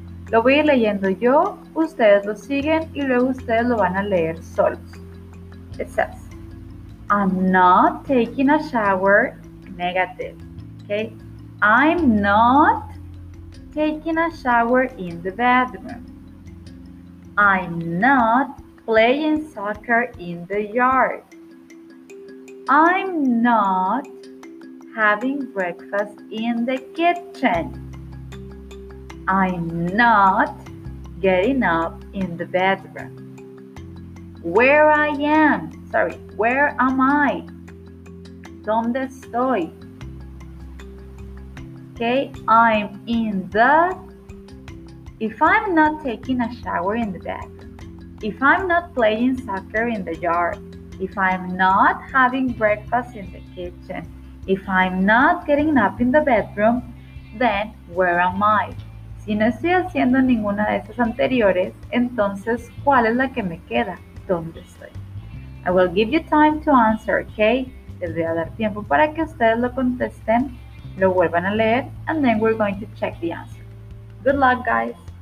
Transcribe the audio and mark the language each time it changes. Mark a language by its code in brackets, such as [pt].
[es] Lo voy a ir leyendo yo, ustedes lo siguen y luego ustedes lo van a leer solos. [en] It says, I'm not taking a shower, negative, okay? I'm not taking a shower in the bathroom. I'm not playing soccer in the yard. I'm not having breakfast in the kitchen. I'm not getting up in the bedroom. Where I am. Sorry, where am I? [es] ¿Dónde estoy? [en] Okay, I'm in the... If I'm not taking a shower in the bathroom, if I'm not playing soccer in the yard, if I'm not having breakfast in the kitchen, if I'm not getting up in the bedroom, then where am I? [es] Si no estoy haciendo ninguna de esas anteriores, entonces, ¿cuál es la que me queda? ¿Dónde estoy? [en] I will give you time to answer, okay? [es] Les voy a dar tiempo para que ustedes lo contesten, lo vuelvan a leer, [en] and then we're going to check the answer. Good luck, guys!